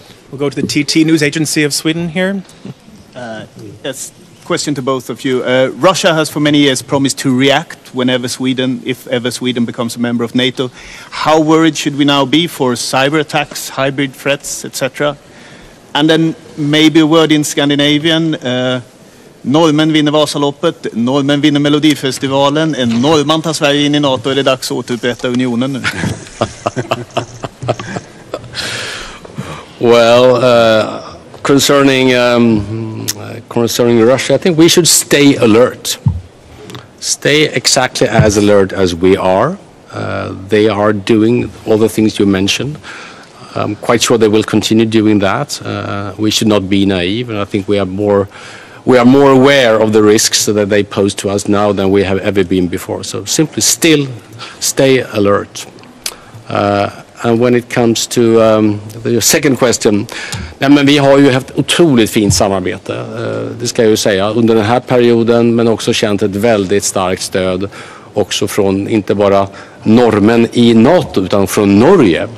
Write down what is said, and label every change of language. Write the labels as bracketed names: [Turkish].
[English] We'll go to the TT News Agency of Sweden here. Yes, question to both of you. Russia has for many years promised to react whenever Sweden, if ever Sweden becomes a member of NATO. How worried should we now be for cyber attacks, hybrid threats, etc.? And then maybe a word in Scandinavian. [Swedish] Norrmän vinner Vasaloppet, Norrmän vinner Melodifestivalen, en norrman tar Sverige in i NATO, är det dags att återupprätta unionen nu? [English] Well, concerning Russia, I think we should stay alert. Stay exactly as alert as we are. They are doing all the things you mentioned. I'm quite sure they will continue doing that. We should not be naive, and I think we are more aware of the risks that they pose to us now than we have ever been before. So simply still stay alert. And when it comes to your second question, [Swedish] ja, men vi har ju haft otroligt fint samarbete, det ska jag ju säga, under den här perioden, men också känt ett väldigt starkt stöd också från inte bara norrmän i NATO utan från Norge.